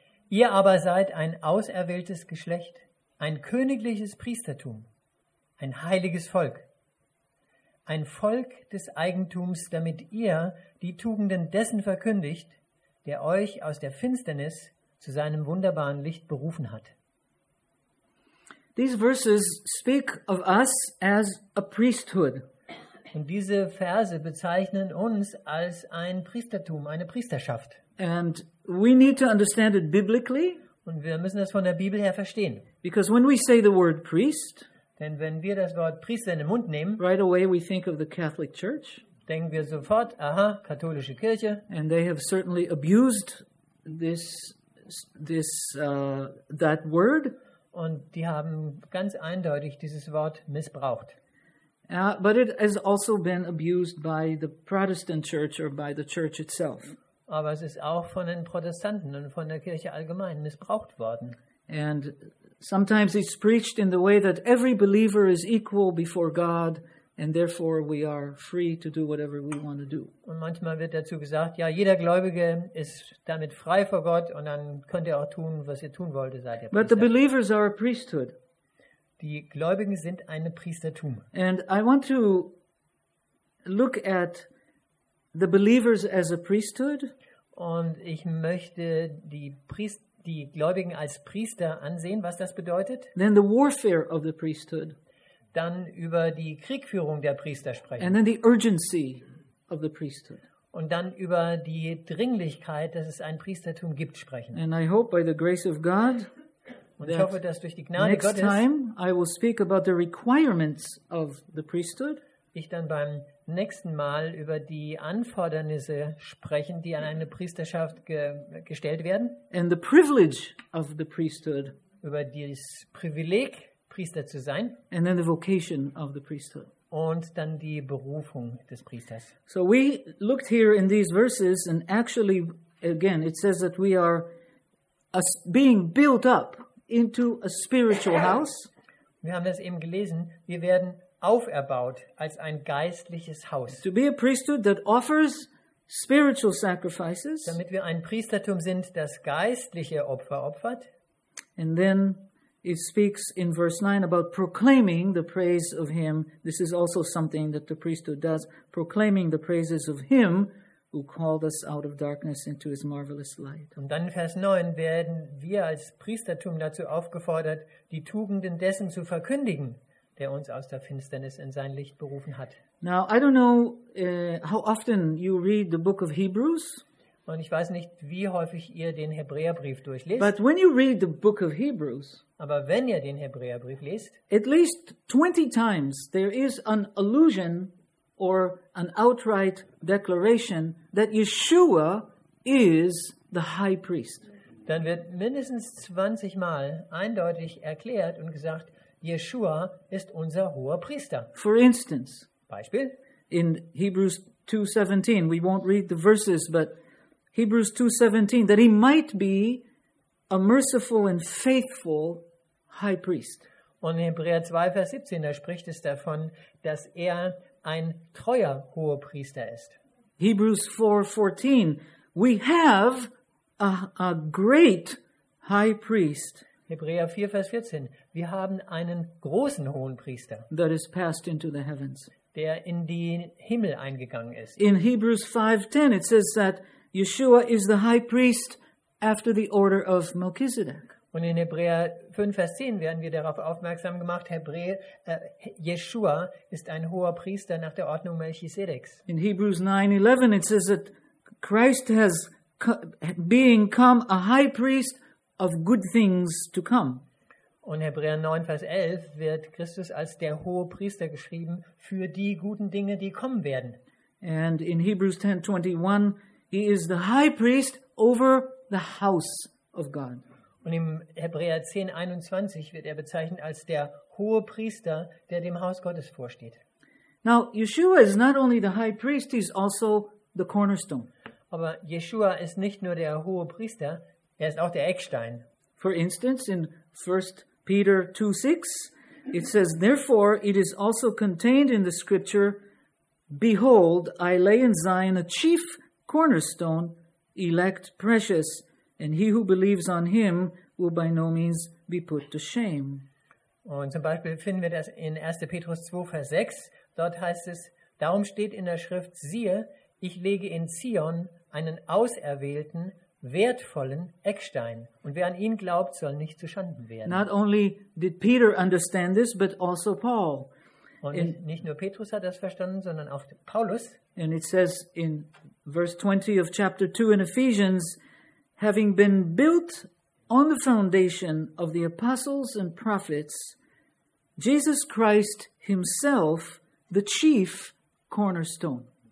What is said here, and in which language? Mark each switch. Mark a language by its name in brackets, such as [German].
[German] Ihr aber seid ein auserwähltes Geschlecht, ein königliches Priestertum, ein heiliges Volk, ein Volk des Eigentums, damit ihr die Tugenden dessen verkündigt, der euch aus der Finsternis zu seinem wunderbaren Licht berufen hat. [English] These verses speak of us as a priesthood. [German] Und diese Verse bezeichnen uns als ein Priestertum, eine Priesterschaft. [English] And we need to understand it biblically. [German] Und wir müssen das von der Bibel her verstehen. [English] Because when we say the word priest, [German] denn wenn wir das Wort Priester in den Mund nehmen, [English] right away we think of the Catholic Church. [German] Denken wir sofort, aha, katholische Kirche. [English] And they have certainly abused that word. [German] Und die haben ganz eindeutig dieses Wort missbraucht. [English] But it has also been abused by the Protestant Church or by the Church itself. [German] Aber es ist auch von den Protestanten und von der Kirche allgemein missbraucht worden. [English] And sometimes it's preached in the way that every believer is equal before God and therefore we are free to do whatever we want to do. [German] Und manchmal wird dazu gesagt, ja, jeder Gläubige ist damit frei vor Gott und dann könnt ihr auch tun, was ihr tun wollt, seid ihr Priester. [English] But the believers are a priesthood. [German] Die Gläubigen sind eine Priestertum. [English] And I want to look at the believers as a priesthood. [German] Und ich möchte die Gläubigen als Priester ansehen, was das bedeutet. [English] Then the warfare of the priesthood. [German] Dann über die Kriegführung der Priester sprechen. [English] And then the urgency of the priesthood. [German] Und dann über die Dringlichkeit, dass es ein Priestertum gibt, sprechen. [English] And I hope by the grace of God, [German] und ich hoffe, dass durch die Gnade [English] next [German] Gottes [English] time I will speak about the requirements of the priesthood. [German] Ich dann beim nächsten Mal über die Anfordernisse sprechen, die an eine Priesterschaft gestellt werden. [English] And the privilege of the priesthood. [German] Über das Privileg, Priester zu sein. [English] And then the vocation of the priesthood. [German] und dann die Berufung des Priesters. [English] So we looked here in these verses and actually again it says that we are being built up into a spiritual house. [German] Wir haben das eben gelesen, wir werden auferbaut als ein geistliches Haus. [English] To be a priesthood that offers spiritual sacrifices. [German] Damit wir ein Priestertum sind, das geistliche Opfer opfert. [English] And then it speaks in verse 9 about proclaiming the praise of him. This is also something that the priesthood does, proclaiming the praises of him who called us out of darkness into his marvelous light. [German] Und dann in Vers 9 werden wir als Priestertum dazu aufgefordert, die Tugenden dessen zu verkündigen, der uns aus der Finsternis in sein Licht berufen hat. [English] Now, I don't know how often you read the book of Hebrews. [German] Und ich weiß nicht, wie häufig ihr den Hebräerbrief durchlest. [English] But when you read the book of Hebrews, [German] aber wenn ihr den Hebräerbrief lest, [English] at least 20 times there is an allusion or an outright declaration that Yeshua is the high priest. [German] Dann wird mindestens 20 Mal eindeutig erklärt und gesagt, Yeshua ist unser hoher Priester. [English] For instance, [German] Beispiel [English] in Hebrews 2:17, we won't read the verses, but Hebrews 2:17, that he might be a merciful and faithful high priest. [German] Und in Hebräer 2, Vers 17, da spricht es davon, dass er ein treuer hoher Priester ist. [English] Hebrews 4:14, we have a great high priest. [German] Hebräer 4, Vers 14, wir haben einen großen hohen Priester. [English] That is passed into the heavens. [German] Der in den Himmel eingegangen ist. [English] In Hebrews 5:10, it says that Yeshua is the high priest after the order of Melchizedek. [German] Und in Hebräer 5, Vers 10 werden wir darauf aufmerksam gemacht, Yeshua ist ein hoher Priester nach der Ordnung Melchizedeks. [English] In Hebrews 9:11, it says that Christ has being come a high priest of good things to come. [German] Und Hebräer 9, Vers 11 wird Christus als der hohe Priester geschrieben für die guten Dinge, die kommen werden. [English] And in Hebrews 10:21, he is the high priest over the house of God. [German] Und im Hebräer 10:21 wird er bezeichnet als der hohe Priester, der dem Haus Gottes vorsteht. [English] Now, Yeshua is not only the high priest, he's also the cornerstone. [German] Aber Yeshua ist nicht nur der hohe Priester, er ist auch der Eckstein. [English] For instance, in 1 Peter 2:6, it says, therefore it is also contained in the scripture, behold, I lay in Zion a chief cornerstone, elect precious, and he who believes on him will by no means be put to shame. [German] Und zum Beispiel finden wir das in 1. Petrus 2, Vers 6. Dort heißt es, darum steht in der Schrift, siehe, ich lege in Zion einen auserwählten, wertvollen Eckstein. Und wer an ihn glaubt, soll nicht zu Schanden werden. [English] Not only did Peter understand this, but also Paul. [German] Und nicht nur Petrus hat das verstanden, sondern auch Paulus. [English] And it says in verse 20 of chapter 2 in Ephesians, having been built on the foundation of the apostles and prophets, Jesus Christ himself, the chief cornerstone.